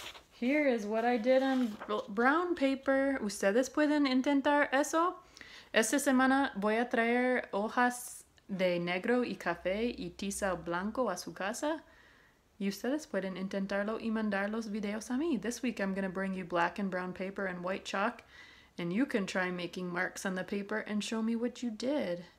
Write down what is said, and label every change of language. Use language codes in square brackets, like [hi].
[en] Here is what I did on brown paper. [es] ¿Ustedes pueden intentar eso? Esta semana voy a traer hojas de negro y café y tiza blanco a su casa. Y ustedes pueden intentarlo y mandar los videos a mí. [en] This week I'm going to bring you black and brown paper and white chalk. And you can try making marks on the paper and show me what you did.